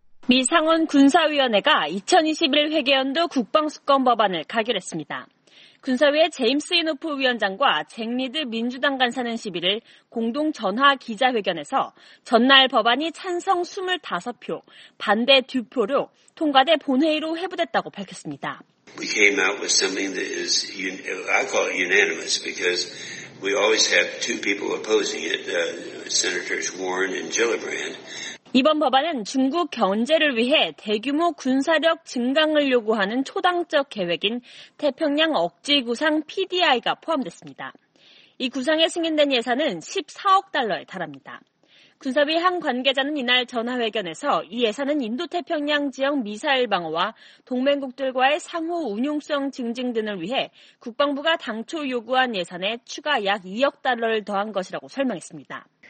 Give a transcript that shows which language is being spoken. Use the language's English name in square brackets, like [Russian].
[Korean] 미 상원 군사위원회가 2021 회계연도 국방수권 법안을 가결했습니다. 군사위의 제임스 이노프 위원장과 잭 리드 민주당 간사는 11일 공동 전화 기자회견에서 전날 법안이 찬성 25표, 반대 2표로 통과돼 본회의로 회부됐다고 밝혔습니다. [English] We came out with something that is I call it unanimous because we always have two people opposing it, Senators Warren and Gillibrand. [Korean] 이번 법안은 중국 견제를 위해 대규모 군사력 증강을 요구하는 초당적 계획인 태평양 억지구상 PDI가 포함됐습니다. 이 구상에 승인된 예산은 14억 달러에 달합니다. 군사위 한 관계자는 이날 전화회견에서 이 예산은 인도태평양 지역 미사일 방어와 동맹국들과의 상호 운용성 증진 등을 위해 국방부가 당초 요구한 예산에 추가 약 2억 달러를 더한 것이라고 설명했습니다.